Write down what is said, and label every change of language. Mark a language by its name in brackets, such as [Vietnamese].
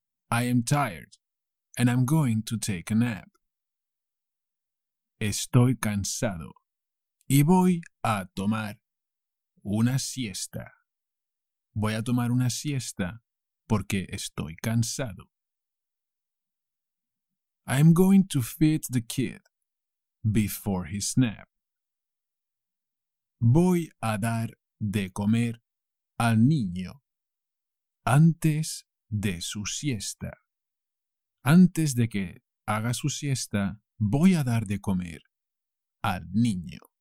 [English] I am tired and I'm going to take a nap. [Spanish] Estoy cansado y voy a tomar una siesta. Voy a tomar una siesta porque estoy cansado. [English] I am going to feed the kid before his nap. [Spanish] Voy a dar de comer al niño antes de su siesta. Antes de que haga su siesta, voy a dar de comer al niño.